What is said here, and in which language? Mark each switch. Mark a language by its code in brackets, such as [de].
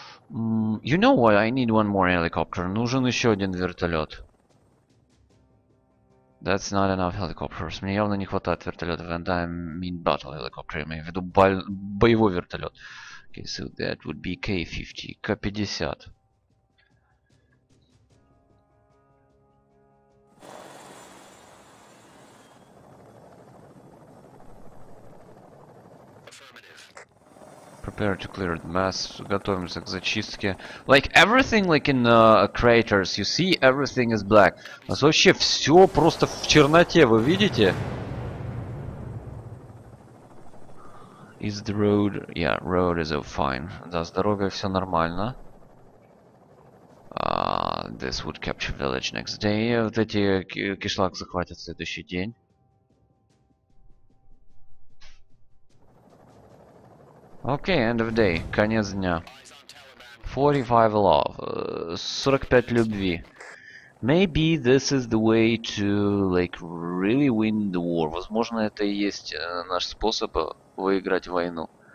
[en] You know what, I need one more helicopter. [ru] Нужен еще один вертолет. [en] That's not enough helicopters. [ru] Мне явно не хватает вертолетов. [en] And I mean battle helicopter, [ru] я имею в виду боевой вертолет. [en] Okay, so that would be K-50. K-50. Prepare to clear the mess. [ru] Готовимся к зачистке. [en] Like everything, like in craters, you see everything is black. [ru] У нас вообще все просто в черноте, вы видите? [en] Is the road? Yeah, road is all fine. [ru] Да, с дорогой все нормально. [en] This would capture village next day. [ru] Вот эти кишлак захватят в следующий день. [en] Окей, okay, end of day. [ru] Конец дня. [en] 45 love. [ru] 45 любви. [en] Maybe this is the way to, like, really win the war. [ru] Возможно, это и есть наш способ выиграть войну.